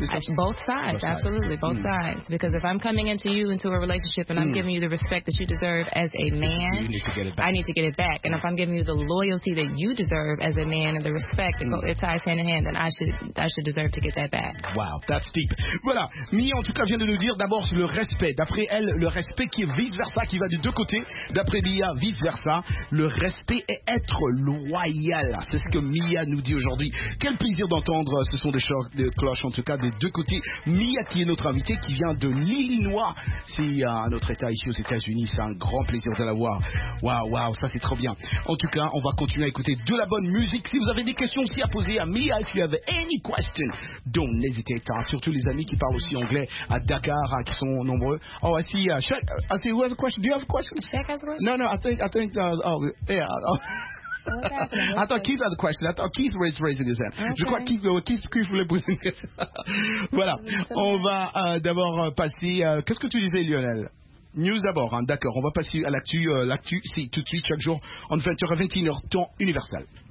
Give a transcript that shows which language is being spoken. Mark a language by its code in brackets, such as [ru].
[en] Both sides. Because if I'm coming into you into a relationship and I'm giving you the respect that you deserve as a man, you need to get it back. I need to get it back. And if I'm giving you the loyalty that you deserve as a man and the respect, it ties hand in hand, then I should deserve to get that back. Wow, that's deep. [fr] Voilà. Mia, en tout cas, vient de nous dire d'abord le respect. D'après elle, le respect qui est vice-versa, qui va de deux côtés. D'après Mia, vice-versa, le respect est être loyal. C'est ce que Mia nous dit aujourd'hui. Quel plaisir d'entendre ce son de choc, de cloche, en tout cas, des deux côtés. Mia, qui est notre invitée, qui vient de l'Illinois. C'est notre état ici aux États-Unis. C'est un grand plaisir de la voir. Waouh, ça c'est trop bien. En tout cas, on va continuer à écouter de la bonne musique. Si vous avez des questions aussi à poser à Mia, [en] if you have any questions, don't hesitate. [fr] Surtout les amis qui parlent aussi anglais à Dakar, qui sont nombreux. [en] Oh, I see who has a question. Do you have a question? Check as well. No, I think I thought Keith raised his hand. Okay. [fr] Je crois que Keith voulait poser une question. Voilà. On va d'abord passer. Qu'est-ce que tu disais, Lionel? News d'abord, hein. D'accord. On va passer à l'actu. L'actu, si, tout de suite, chaque jour, entre 20h et 21h, temps universel.